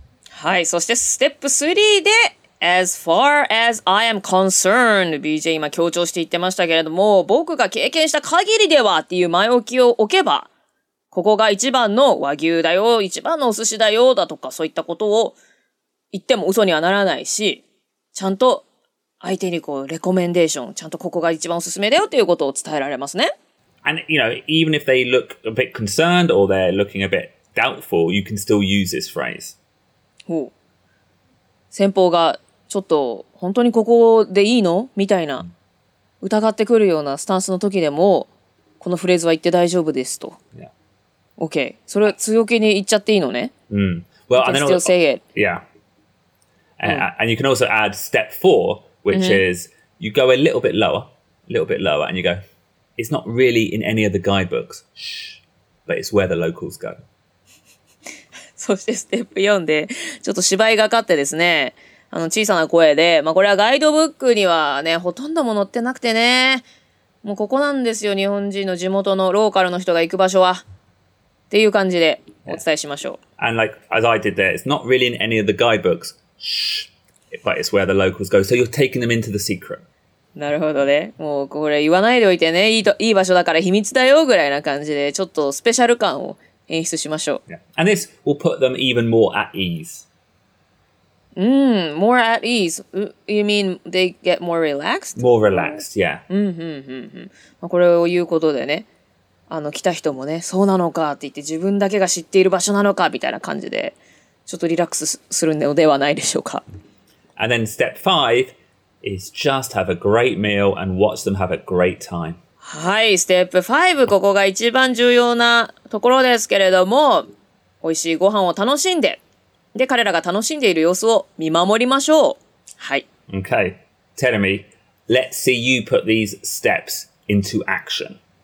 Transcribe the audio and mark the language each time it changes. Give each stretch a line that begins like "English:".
Japanese: はい、そしてステップ3で、
English: as far as I am concerned,
Japanese: BJ 今強調して言ってましたけれども、僕が経験した限りではっていう前置きを置けば、ここが一番の和牛だよ、一番のお寿司だよだとか、そういったことを言っても嘘にはならないし、ちゃんと相手にこうレコメンデーション、ちゃんとここが一番おすすめだよということを伝えられますね。
English: And you know, even if they look a bit concerned or they're looking a bit doubtful, you can still use this phrase.
Japanese: ほう。先方がちょっと本当にここでいいのみたいな疑ってくるようなスタンスの時でもこのフレーズは言って大丈夫ですと。
English: Yeah. OK.
Japanese: それは強気に言っちゃっていいのね。
English: Mm. Well, you can still say it. Yeah. And,、mm. and you can also add step four, which、mm-hmm. is you go a little bit lower, a little bit lower, and you go, it's not really in any of the guidebooks, shh, but it's where the locals go.
Japanese: そしてステップ4でちょっと芝居がかってですね、あの小さな声で、まあこれはガイドブックにはね、ほとんども載ってなくてね、もうここなんですよ、日本人の地元のローカルの人が行く場所は。っていう感じでお伝えしましょう。
English: Yeah. And like, as I did there, it's not really in any of the guidebooks, shh, but it's where the locals go, so you're taking them into the secret.
Japanese: なるほどね。もうこれ言わないでおいてね、いい場所だから秘密だよぐらいな感じで、ちょっとスペシャル感を演出しましょう。
English: Yeah. And this will put them even more at ease. Mm, more at ease. You mean they get more relaxed? More relaxed, yeah. Mm-hmm.
Japanese: まあこれを言うことでね、あの来た人もね、そうなのかって言って、自分だけが知っている場所なのかみたいな感じで、ちょっとリラックスするのではないでしょうか。
English: And then step five is just have a great meal and watch them have a great time.
Japanese: はい、ステップ5、ここが一番重要なところですけれども、美味しいご飯を楽しんで、で、彼らが楽しんでいる様子を見守りましょう。はい。
English: Okay. Terumi, let's see you put these steps into action.